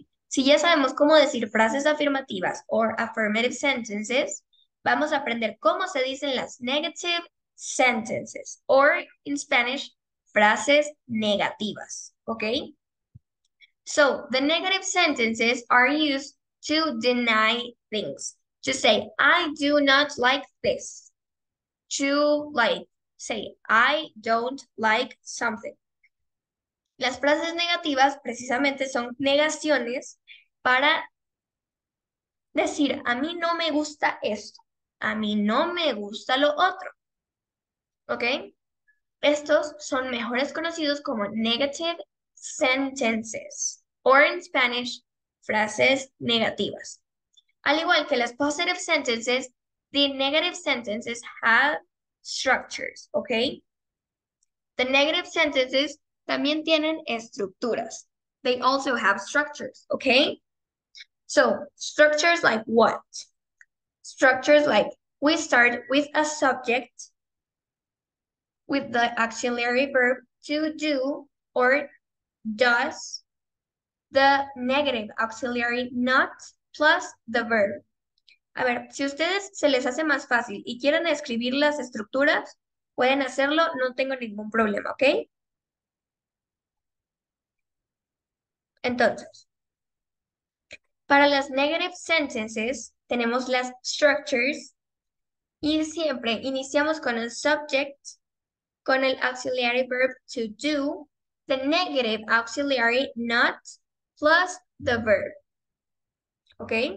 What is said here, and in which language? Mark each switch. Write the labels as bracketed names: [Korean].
[Spanish] Si ya sabemos cómo decir frases afirmativas o [English] affirmative sentences, [Spanish] vamos a aprender cómo se dicen las [English] negative sentences [Spanish] o, [English] in Spanish, [Spanish] frases negativas, ¿ok? [English] So, the negative sentences are used to deny things. To say, I do not like this. To like, say, I don't like something. [Spanish] Las frases negativas precisamente son negaciones para decir, a mí no me gusta esto, a mí no me gusta lo otro. ¿Ok? Estos son mejores conocidos como [English] negative sentences, [Spanish] o en Spanish, frases negativas. Al igual que las [English] positive sentences, the negative sentences have structures, ¿ok? The negative sentences [Spanish] también tienen estructuras. [English] They also have structures, ¿ok? So, structures like what? Structures like we start with a subject, with the auxiliary verb to do or does, the negative auxiliary not plus the verb. [Spanish] A ver, si a ustedes se les hace más fácil y quieren escribir las estructuras, pueden hacerlo, no tengo ningún problema, ¿ok? Entonces, para las [English] negative sentences [Spanish] tenemos las structures y siempre iniciamos con el subject, con el [English] auxiliary verb to do, the negative auxiliary not plus the verb. [Spanish] ¿Ok?